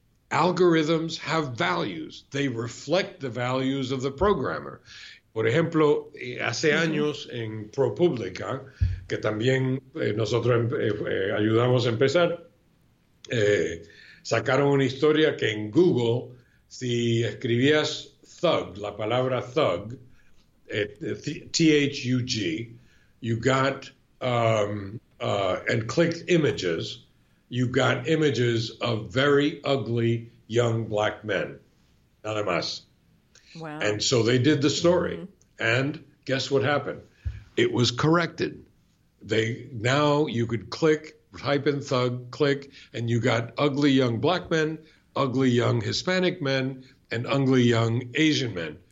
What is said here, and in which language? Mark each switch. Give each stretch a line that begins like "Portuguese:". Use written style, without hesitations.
English: Algorithms have values. They reflect the values of the programmer.
Spanish: Por ejemplo, hace años en ProPublica, que también nosotros ayudamos a empezar, sacaron una historia que en Google, si escribías thug, la palabra thug, T-H-U-G,
English: you got, and clicked images, you got images of very ugly young black men,
Spanish: nada más.
English: Wow. And so they did the story. Mm-hmm. And guess what happened? It was corrected. Now you could type in thug, click, and you got ugly young black men, ugly young Hispanic men, and ugly young Asian men.